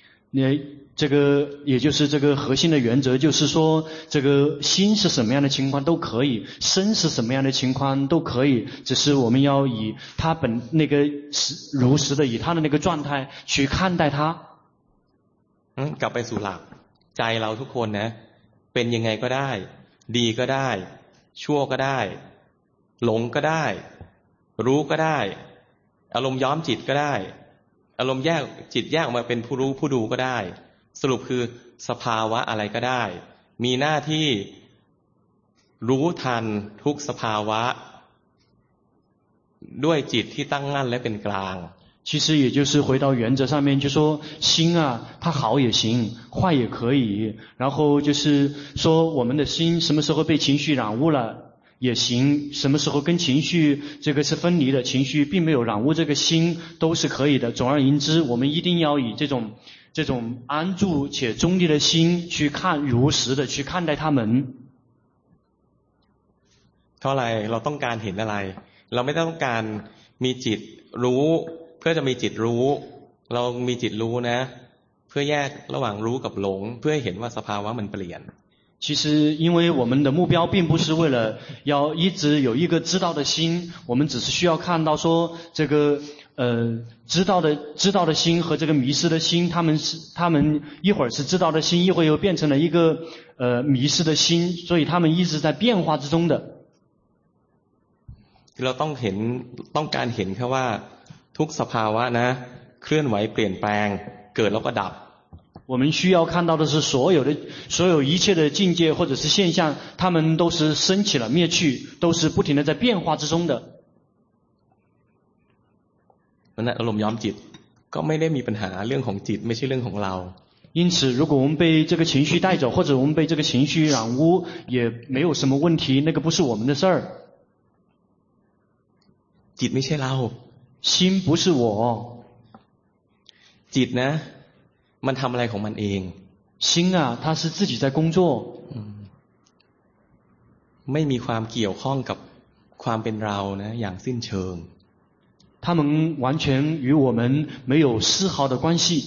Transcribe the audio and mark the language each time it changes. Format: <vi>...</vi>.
<zh>那这个也就是这个核心的原则就是说这个心是什么样的情况都可以身是什么样的情况都可以只是我们要以他本那个如实的以他的那个状态去看待他</zh> <th>กลับไปสู่หลักใจเราทุกคนนะเป็นยังไงก็ได้ดีก็ได้ชั่วก็ได้หลงก็ได้รู้ก็ได้อารมณ์ย้อมจิตก็ได้อารมณ์แยกจิตแยกออกมาเป็นผู้รู้ผู้ดูก็ได้สรุปคือสภาวะอะไรก็ได้มีหน้าที่รู้ทันทุกสภาวะด้วยจิตที่ตั้งมั่นและเป็นกลาง</th> <zh>其实也就是回到原则上面就说心啊它好也行坏也可以然后就是说我们的心什么时候被情绪染污了也行什么时候跟情绪这个是分离的情绪并没有染污这个心都是可以的总而言之我们一定要以这种安住且中立的心去看如实的去看待他们</zh> <th>เท่าไหร่เราต้องการเห็นอะไรเราไม่ต้องการมีจิตรู้เพื่อจะมีจิตรู้เรามีจิตรู้นะเพื่อแยกระหว่างรู้กับหลงเพื่อเห็นว่าสภาวะมันเปลี่ยน</th> <zh>其实因为我们的目标并不是为了要一直有一个知道的心，我们只是需要看到说这个知道的心和这个迷失的心，他们一会儿是知道的心，一会儿又变成了一个迷失的心，所以他们一直在变化之中的。</zh> <th>เราต้องเห็นต้องการเห็นแค่ว่าทุกสภาวะนะเคลื่อนไหวเปลี่ยนแปลงเกิดแล้วก็ดับ</th> <zh>我们需要看到的是所有一切的境界或者是现象，它们都是升起了灭去，都是不停的在变化之中的。那我们养</zh> <th>จิต，ก็ไม่ได้มีปัญหาเรื่องของจิตไม่ใช่เรื่องของเรา。</th> <zh>因此，如果我们被这个情绪带走，或者我们被这个情绪染污，也没有什么问题，那个不是我们的事儿。</zh> <th>จิตไม่ใช่เรา。</th> <zh>心不是我。</zh> <th>จิตนะมันทำอะไรของมันเอง</th> <zh>心啊它是自己在工作</zh> <th>ไม่มีความเกี่ยวข้องกับความเป็นเรานะอย่างสิ้นเชิง</th> <zh>他们完全与我们没有丝毫的关系</zh>